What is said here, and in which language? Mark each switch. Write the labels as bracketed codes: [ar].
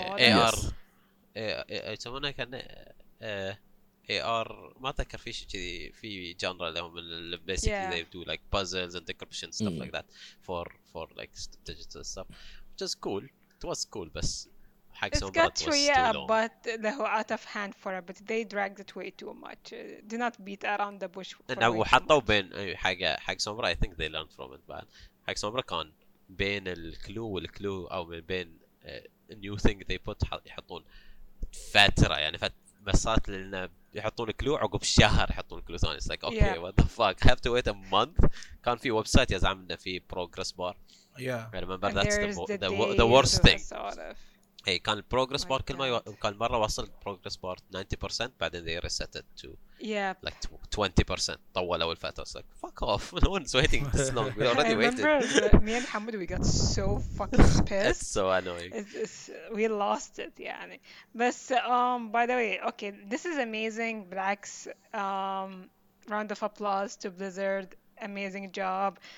[en] AR [ar] يسمونها كان AR ما تذكر في شيء كذي في جانرا اللي هم [en] basically they do like puzzles and decryption stuff like that for like digital stuff which is cool it was cool بس it's got Shreya, but they're out of hand for it. But they dragged it way too much. Do not beat around the bush. And we had to bin. [ar] حق سومبرا. [en] I think they learned from it. [ar] But حق سومبرا كان بين الكلو والكلو أو بين [en] new thing they put [ar] يحطون فترة يعني فمسات لأن يحطون الكلو عقب شهر يحطون الكلو ثاني. [en] It's like okay, what the fuck? I have to wait a month. [ar] كان في ويب سايت يزعم إنه في progress bar. [en] Yeah. I remember and that's the worst thing. [ar] Hey, كان البروغرس بار كل ما كان مرة وصل البروغرس بار 90% بعدين [en] they reset it to like 20% [ar] طولوا الفترة. [en] It's like fuck off, no one's waiting this long. We already waited. I remember me and Hamid, we got so fucking pissed. It's so annoying. We lost it, يعني. بس by the way, okay, this is amazing. Blacks, round of applause to Blizzard. Amazing job.